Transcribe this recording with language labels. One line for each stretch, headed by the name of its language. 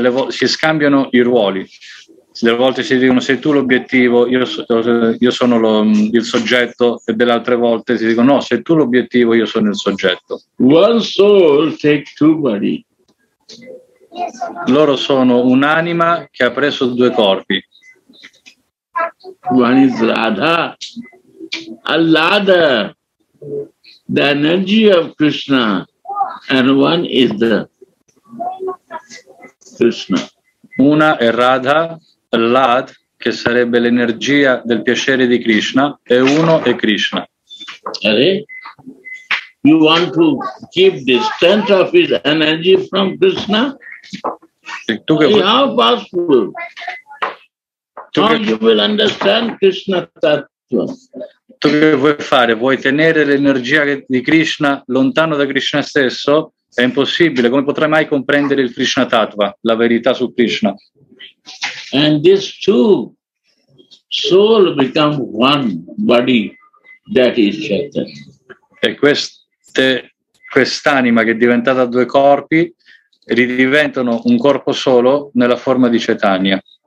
Italian: Si scambiano i ruoli. Delle volte si dicono sei tu l'obiettivo, io sono il soggetto, e delle altre volte si dicono no, sei tu l'obiettivo, io sono il soggetto.
English: One soul take two body.
Italian: Loro sono un'anima che ha preso due corpi.
English: One is Radha, all'other, the energy of Krishna, and one is the Krishna.
Italian: Una è Radha, Lad, che sarebbe l'energia del piacere di Krishna, e uno è Krishna.
English: Are you want to keep the strength of his energy from Krishna? How possible? You will understand Krishna tattva.
Italian: Tu che vuoi fare? Vuoi tenere l'energia di Krishna lontano da Krishna stesso? È impossibile. Come potrai mai comprendere il Krishna tattva, la verità su Krishna?
English: And these two soul become one body, that is Chaitanya.
Italian: E quest'anima che è diventata due corpi ridiventano un corpo solo nella forma di Chaitanya.